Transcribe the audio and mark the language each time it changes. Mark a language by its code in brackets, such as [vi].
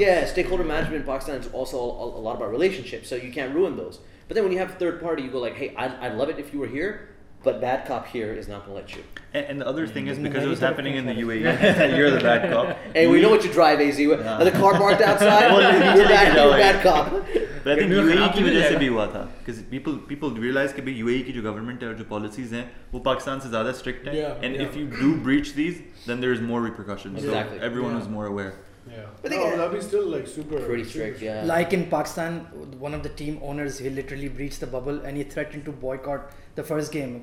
[en] Yeah, stakeholder management in Pakistan is also a lot about relationships, so you can't ruin those. But then when you have a third party, you go hey, I'd love it if you were here, but bad cop here is not going to let you. And the other thing is, because it was happening in the UAE, you're the bad cop. Hey, we know what you drive, AZ. Nah. The car parked outside, bad cop. But I think [hi] UAE की वजह से भी हुआ था, [en] because people realize [hi] कि भाई UAE की जो government है और जो policies हैं, वो Pakistan से ज़्यादा strict हैं. [en] Yeah, and yeah. if you do breach these, then there is more repercussions. Exactly. So everyone yeah. is more aware. Yeah. But Abu Dhabi is still super pretty strict. Super. Yeah. Like in Pakistan, one of the team owners, he literally breached the bubble and he threatened to boycott the first game.